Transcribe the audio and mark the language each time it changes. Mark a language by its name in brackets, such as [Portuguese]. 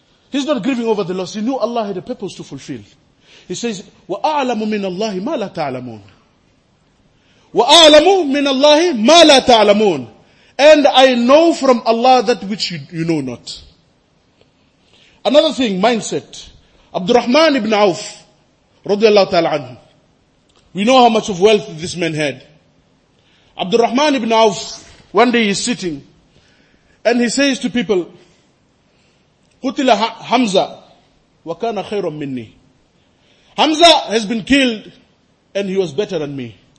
[English] He's not grieving over the loss. He knew Allah had a purpose to fulfill. He says, [Arabic] وَأَعْلَمُ مِنَ اللَّهِ مَا لَا تَعْلَمُونَ [English] وَأَعْلَمُ مِنَ اللَّهِ مَا لَا تَعْلَمُونَ And I know from Allah that which you know not. Another thing, mindset. [Arabic] Abdurrahman ibn Auf, رضي الله تعالى عنه. [English] We know how much of wealth this man had. Abdurrahman ibn Auf, one day he's sitting, and he says to people, [Arabic] قُتِلَ حَمْزَ وَكَانَ خَيْرٌ مِنِّي [English] Hamza has been killed, and he was better than me.